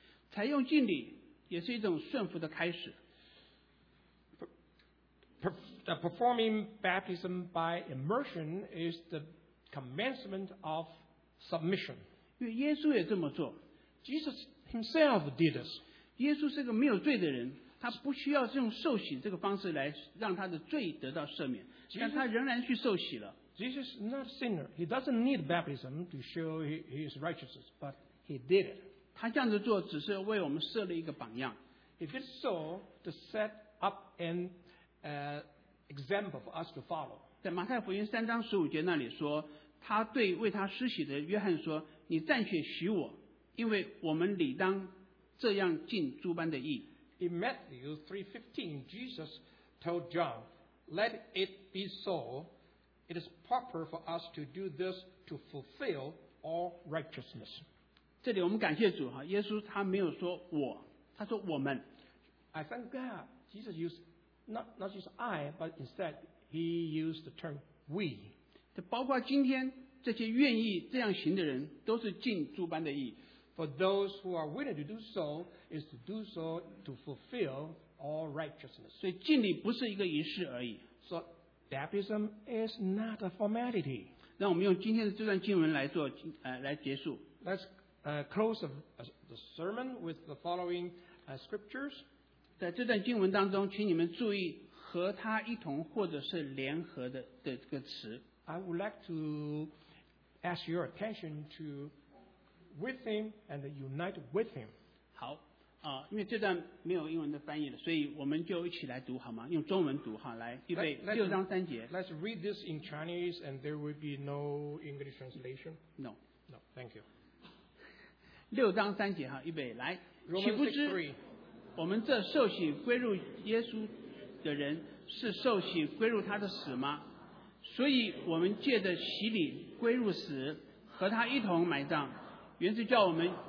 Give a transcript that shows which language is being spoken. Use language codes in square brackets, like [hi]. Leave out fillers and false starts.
[zh] 采用敬礼也是一种顺服的开始。 [en] Performing baptism by immersion is the commencement of submission. [zh] 因为耶稣也这么做。 [en] Jesus himself did this. [zh] 耶稣是个没有罪的人，他不需要用受洗这个方式来让他的罪得到赦免，但他仍然去受洗了。 [en] Jesus is not a sinner. He doesn't need baptism to show his righteousness, but he did it. [zh] 他这样子做只是为我们设立一个榜样。 [en] If it's so, to set up an example for us to follow. [zh] 在马太福音三章十五节那里说，他对为他施洗的约翰说，你暂且许我，因为我们理当这样尽诸般的义。 [en] In Matthew 3:15, Jesus told John, let it be so. It is proper for us to do this to fulfill all righteousness. [zh] 这里我们感谢主哈，耶稣他没有说我，他说我们。 [en] I thank God, Jesus used not just I, but instead he used the term we. [zh] 这包括今天这些愿意这样行的人，都是尽诸般的义。 [en] For those who are willing to do so, is to do so to fulfill all righteousness. [zh] 所以敬礼不是一个仪式而已。 [en] So,Baptism is not a formality. [zh] 让我们用今天的这段经文来做来结束。 [en] Let's close the sermon with the following scriptures. [zh] 在这段经文当中，请你们注意和他一同或者是联合的这个词。 [en] I would like to ask your attention to with him and unite with him. [zh] 好。因为这段没有英文的翻译了，所以我们就一起来读好吗？用中文读哈，来预备六章三节。 [en] Let's read this in Chinese, and there will be no English translation. No, no, thank you. [zh] 六章三节哈，预备来。岂不知我们这受洗归入耶稣的人，是受洗归入他的死吗？所以我们借着洗礼归入死，和他一同埋葬，原是叫我们。